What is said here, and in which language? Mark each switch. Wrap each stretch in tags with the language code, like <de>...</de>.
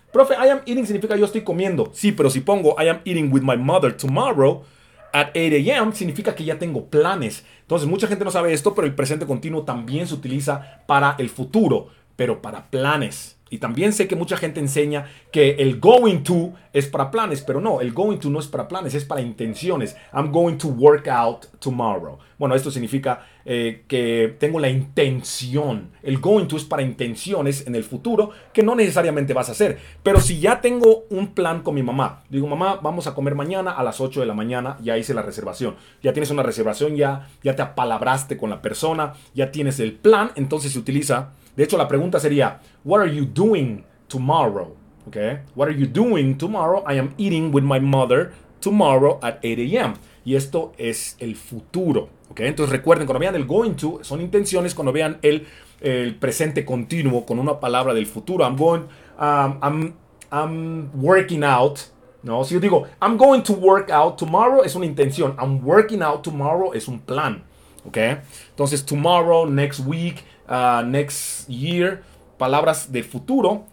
<en>Profe, I am eating</en> <es>significa yo estoy comiendo. Sí, pero si pongo</es> <en>I am eating with my mother tomorrow at 8 a.m.</en> <es>significa que ya tengo planes. Entonces, mucha gente no sabe esto, pero el presente continuo también se utiliza para el futuro, pero para planes. Y también sé que mucha gente enseña que el going to es para planes, pero no, el going to no es para planes, es para intenciones.</es> <en>I'm going to work out tomorrow.</en> <es>Bueno, esto significa que tengo la intención. El going to es para intenciones en el futuro que no necesariamente vas a hacer. Pero si ya tengo un plan con mi mamá, digo, mamá, vamos a comer mañana a las 8 de la mañana, ya hice la reservación. Ya tienes una reservación, ya te apalabraste con la persona, ya tienes el plan, entonces se utiliza. De hecho, la pregunta sería,</es> <en>what are you doing tomorrow? Okay. What are you doing tomorrow? I am eating with my mother tomorrow at 8 a.m.</en> <es>Y esto es el futuro. Okay. Entonces recuerden, cuando vean el going to, son intenciones. Cuando vean el presente continuo con una palabra del futuro,</es> <en>I'm going, I'm working out.</en> <es>No, si yo digo,</es> <en>I'm going to work out tomorrow,</en> <es>es una intención.</es> <en>I'm working out tomorrow</en> <es>es un plan. Okay. Entonces,</es> <en>tomorrow, next week, next year,</en> <es>palabras de futuro.</es>